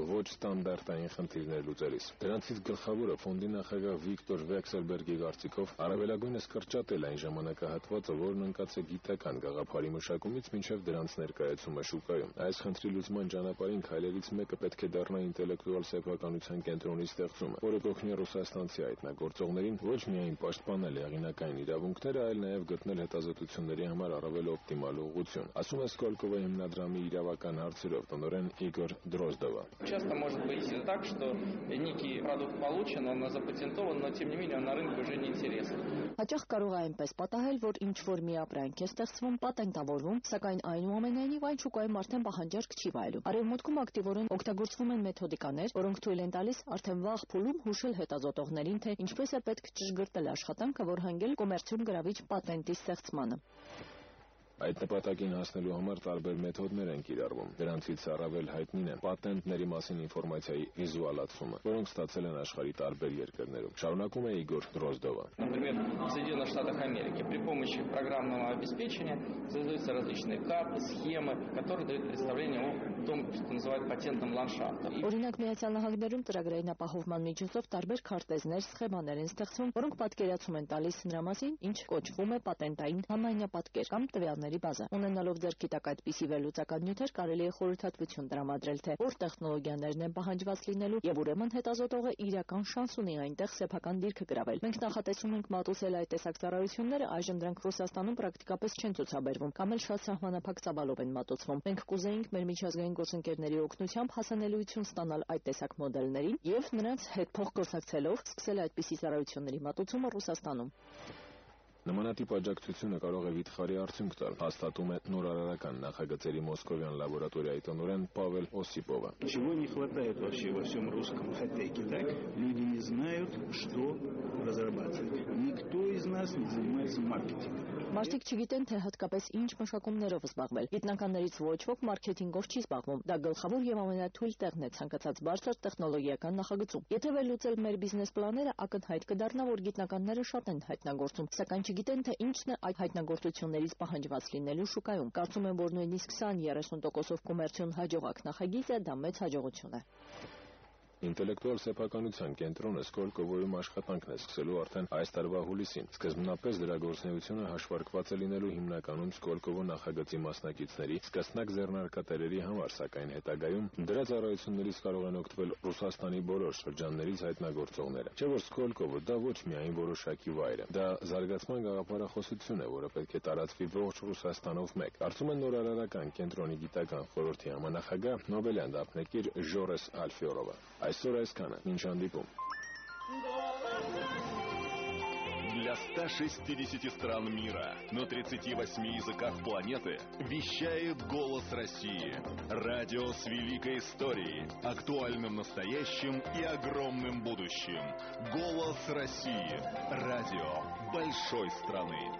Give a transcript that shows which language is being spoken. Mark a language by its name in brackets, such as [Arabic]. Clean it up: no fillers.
[Armenian] ոչ ստանդարտային խնդիրներ լուծելիս։ Դրանցից գլխավորը ֆոնդի նախագահ Վիկտոր Վեքսելբերգի գարտիկով արավելագույնս կրճատել այն ժամանակահատվածը, որն ընկած է գիտական գաղափարի մշակումից մինչև դրանց ներկայացումը շուկայում։ Այս խնդրի լուծման ճանապարհին քայլերից մեկը պետք է դառնա ինտելեկտուալ սեփականության կենտրոնի ստեղծումը, որը կօգնի ռուսաստանցի հայտնագործողներին ոչ միայն պաշտպանել հեղինակային իրավունքները, այլ նաև գտնել հետազոտությունների համար առավել օպտիմալ ուղղություն, ասում է Սկոլկովո հիմնադրամի իրավական հարցերով տնօրեն Իգոր Դրոզդովը։ [Russian] Часто может быть так, что некий продукт получен, он запатентован, но тем не менее на рынке уже не интересно. [Armenian] Հաճախ կարող է այնպես պատահել, որ ինչ-որ մի ապրանք է ստեղծվում, պատենտավորվում, սակայն այնուամենայնիվ այն շուկայում արդեն պահանջարկ չի վայելում։ Արևմուտքում ակտիվորեն օգտագործվում են մեթոդիկաներ, որոնք թույլ են տալիս արդեն վաղ փուլում հուշել հետազոտողներին, թե ինչպես է պետք ճշգրտել աշխատանքը, որ հանգել կոմերցիոն գրավիչ պատենտի ստեղծմանը։ Այդ նպատակին հասնելու համար տարբեր մեթոդներ են կիրառվում։ Դրանցից առավել հայտնին է պատենտների մասին ինֆորմացիայի վիզուալացումը, որոնք ստացել են աշխարհի տարբեր երկրներում։ Շարունակում է Իգոր Դրոզդովը։ [Russian] Например, в Соединённых Штатах Америки при помощи программного обеспечения создаются различные карты, схемы, которые дают представление о том, что называют патентным ландшафтом. [Armenian] Օրինակ, Միացյալ Նահանգներում ծրագրային ապահովման միջոցով տարբեր քարտեզներ, սխեմաներ են ստեղծվում, որոնք պատկերացում են տալիս նրա մասին, ինչ կոչվում է պատենտային համայնապատկեր կամ տվյալների բազա։ Ունենալով ձեռքի տակ այդպես վերլուծական նյութեր, կարելի է խորհրդատվություն տրամադրել, թե որ տեխնոլոգիաներն են պահանջված լինելու եւ ուրեմն հետազոտողը իրական շանս ունի այնտեղ սեփական դիրքը գրավել։ Մենք նախատեսում ենք մատուցել այդ տեսակ ծառայությունները, այժմ դրանք Ռուսաստանում պրակտիկապես չեն ցուցաբերվում, կամ էլ շատ սահմանափակ ծավալով են մատուցվում։ Մենք կուզեինք մեր միջազգային գործընկերների օգնությամբ հասանելիություն ստանալ այդ տեսակ մոդելներին եւ նրանց հետ փոխգործակցելով սկսել այդպիսի ծառայությունների մատուցումը Ռուսաստանում։ Նմանատիպ աջակցությունը կարող է վիթխարի արդյունք տալ, հաստատում է նորարարական նախագծերի մոսկովյան լաբորատորիայի տնօրեն Պավել Օսիպովը։ [Russian] Чего не хватает вообще во всём русском хай-теке, так? Люди не знают, что разрабатывать. Никто из нас не занимается маркетингом. [Armenian] Մարտիկ չգիտեն, թե հատկապես ինչ մշակումներով զբաղվել։ Գիտնականներից ոչ ոք մարքեթինգով չի զբաղվում։ Դա գլխավոր եւ ամենաթույլ տեղն է ցանկացած բարձր տեխնոլոգիական նախագծում։ Եթե վերլուծել մեր բիզնես պլանները, ակնհայտ կդառնա, որ գիտնականները շատ են հայտնագործում, սակայն չգիտեն, թե ինչն է այդ հայտնագործություններից պահանջված լինելու շուկայում։ Կարծում եմ, որ նույնիսկ 20-30%-ով կոմերցիոն հաջողակ նախագիծը դա մեծ հաջողություն է։ Ինտելեկտուալ սեփականության կենտրոնը Սկոլկովոյում աշխատանքն է սկսելու արդեն այս տարվա հուլիսին։ Սկզբնապես դրա գործունեությունը հաշվարկված է լինելու հիմնականում Սկոլկովո նախագծի մասնակիցների սկսնակ ձեռնարկատերերի համար, սակայն հետագայում դրա ծառայություններից կարող են օգտվել Ռուսաստանի բոլոր շրջաններից հայտնագործողները։ Չէ՞ որ Սկոլկովը դա ոչ միայն որոշակի վայր է, դա զարգացման գաղափարախոսություն է, որը պետք է տարածվի ողջ Ռուսաստանով մեկ։ Կարծում եմ նորարարական կենտրոնի գիտական խորհրդի համանախագահ Նոբելյան դափնեկիր Ժորես Ալֆիորովը։ Այսօր այսքանը, մինչ հանդիպում։ [Russian] Для 160 стран мира на 38 языках планеты вещает «Голос России». Радио с великой историей, актуальным настоящим и огромным будущим. «Голос России». Радио большой страны.